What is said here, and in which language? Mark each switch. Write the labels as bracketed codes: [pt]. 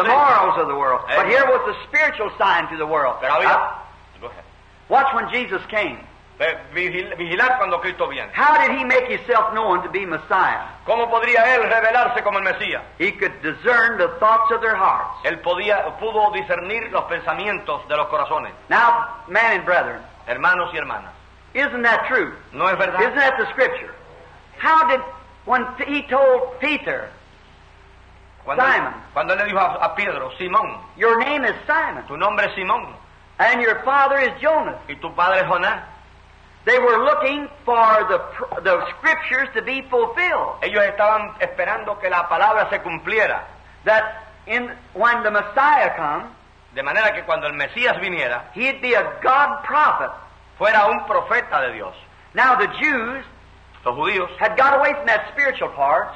[en] The morals of the world. But here was the spiritual sign to the world. [es] Pero había, [en] Watch when Jesus came. [es] Vigilar cuando Cristo viene. [en] How did he make himself known to be Messiah? [es] ¿Cómo podría él revelarse como el Mesías? [en] He could discern the thoughts of their hearts. [es] Él podía, pudo discernir los pensamientos de los corazones. [en] Now, men and brethren, [es] hermanos y hermanas, [en] isn't that true? [es] ¿No es verdad? [en] Isn't that the scripture? How did, when he told Peter, [es] cuando, Simon, cuando le dijo a Pedro, Simón, [en] your name is Simon, [es] tu nombre es Simón, [en] and your father is Jonas, [es] y tu padre es Jonás. [en] They were looking for the scriptures to be fulfilled. [es] Ellos estaban esperando que la palabra se cumpliera. [en] That in when the Messiah come, [es] de manera que cuando el Mesías viniera, [en] he'd be a God prophet. [es] Fuera un profeta de Dios. [en] Now the Jews, [es] los judíos, [en] had got away from that spiritual part.